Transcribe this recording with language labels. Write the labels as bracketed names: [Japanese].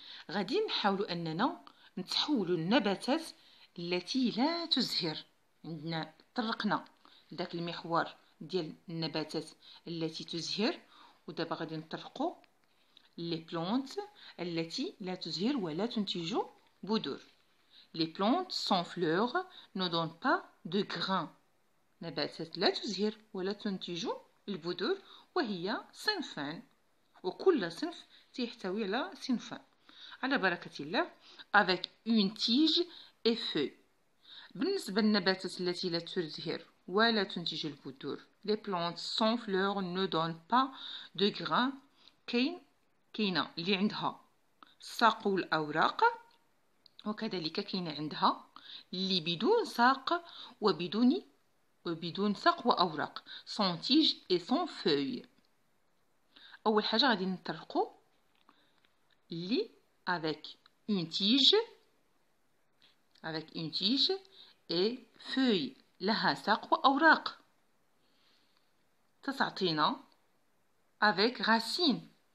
[Arabic] غادي نحاولوا اننا نتحولوا النباتات التي لا تزهر. عندنا طرقنا داك المحور ديال النباتات التي تزهر ودابا غادي نطرقوا لي بلونت التي لا تزهر ولا تنتج بذور. [French] Les plantes sans fleurs ne donnent pas de grains. [Arabic] نباتات لا تزهر ولا تنتج البذور وهي صنفان وكل صنف تحتوي على صنفان على بركة الله [French] avec une tige et feuilles. [Arabic] بالنسبة للنباتات التي لا تزهر ولا تنتج البذور [French] les plantes sans fleurs ne donnent pas de grains. [Arabic] كاينة اللي عندها ساق والأوراق وكذلك كاين عندها اللي بدون ساق وبدون ساق واوراق سون تيج اي سون فوي. اول حاجه غادي نطرقوا لي افيك اون تيج افيك اون تيج اي فوي لها ساق واوراق تتعطينا افيك غاسين.